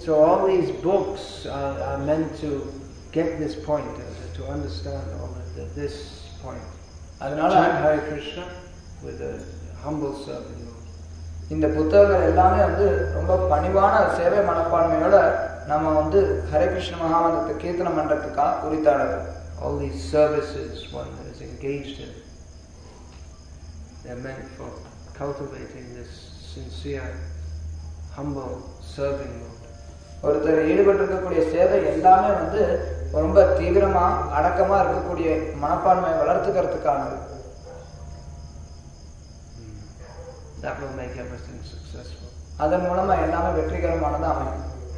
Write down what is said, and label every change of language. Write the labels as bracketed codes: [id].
[en] So all these books are meant to get this point, to understand all that this point. [ta] அதனால [en] Hari Krishna with humble serve. [ta] இந்த புத்தகங்கள் எல்லாமே வந்து ரொம்ப பணிவான சேவை மனப்பான்மையோட நம்ம வந்து ஹரே கிருஷ்ண மகாமந்திரத்தை கீர்த்தனம் பண்றதுக்காக குறித்தானது. [en] All the services one is engaged in the men for cultivating this sincere humble serving mode. [ta] ஒருத்தர் ஈடுபட்டிருக்கக்கூடிய சேவை எல்லாமே வந்து ரொம்ப தீவிரமா அடக்கமா இருக்கக்கூடிய மனப்பான்மையை வளர்த்துக்கிறதுக்கானது. [en] That will make everything successful. [ta] அதன் மூலமா எல்லாமே வெற்றிகரமானது அமையும்.